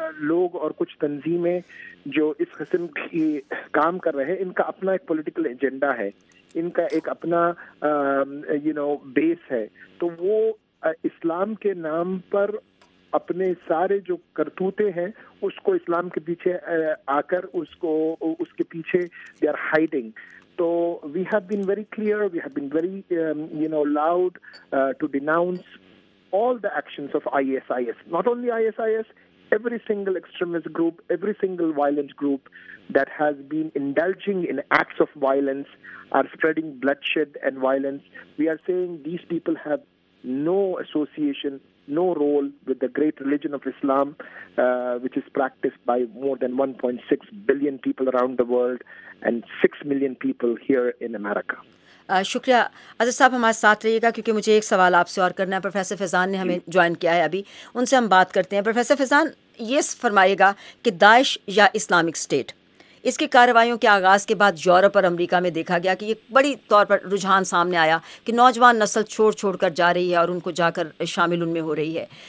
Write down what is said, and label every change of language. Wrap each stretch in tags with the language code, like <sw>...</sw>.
<ur>لوگ اور کچھ تنظیمیں جو اس قسم کی کام کر رہے ہیں، ان کا اپنا ایک پولیٹیکل ایجنڈا ہے، ان کا ایک اپنا بیس ہے۔ تو وہ اسلام کے نام پر اپنے سارے جو کرتوتے ہیں اس کو اسلام کے پیچھے آ کر اس کو، اس کے پیچھے</ur> <en>They are hiding.</en> <ur>تو</ur> <en>We have been very clear, we have been very loud to denounce all the actions of ISIS، not only ISIS، every single extremist group, every single violent group that has been indulging in acts of violence, are spreading bloodshed and violence. We are saying these people have no association, no role with the great religion of Islam, which is practiced by more than 1.6 billion people around the world and 6 million people here in America.</en> <ur>شکریہ عزیز صاحب, ہمارے ساتھ رہیے گا کیونکہ مجھے ایک سوال آپ سے اور کرنا ہے. پروفیسر فیضان نے ہمیں جوائن کیا ہے, ابھی ان سے ہم بات کرتے ہیں. پروفیسر فیضان, یہ فرمائیے گا کہ داعش یا اسلامک اسٹیٹ, اس کے کارروائیوں کے آغاز کے بعد یورپ اور امریکہ میں دیکھا گیا کہ یہ بڑی طور پر رجحان سامنے آیا کہ نوجوان نسل چھوڑ چھوڑ کر جا رہی ہے اور ان کو جا کر شامل ان میں ہو رہی ہے.</ur>